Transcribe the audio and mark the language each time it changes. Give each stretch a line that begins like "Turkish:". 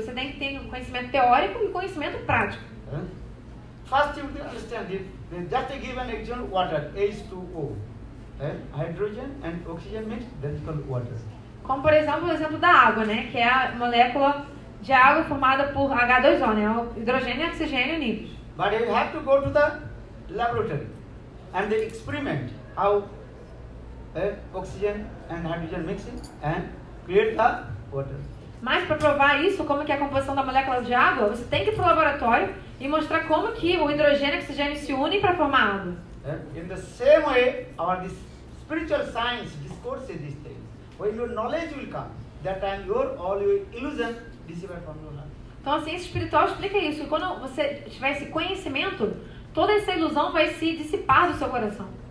Portuguese: Você tem que ter um conhecimento teórico e conhecimento prático.
English: First you can understand it. Just a given example, water, H2O. Hydrogen and oxygen means that's called water.
Portuguese: Como por exemplo, o exemplo da água, né, que é a molécula de água formada por H2O, né? Hidrogênio, oxigênio, unidos.
English: But you have to go to the laboratory and the experiment how oxygen and hydrogen mixing and create the water.
Portuguese: Mas para provar isso, como que é a composição da molécula de água, você tem que ir para o laboratório e mostrar como que o hidrogênio e oxigênio se unem para formar água.
English: In the same way, our this spiritual science discourses these things. When your knowledge will come, that time your all your illusion disappear from your heart.
Portuguese: Então a ciência espiritual explica isso. Que quando você tiver esse conhecimento, toda essa ilusão vai se dissipar do seu coração.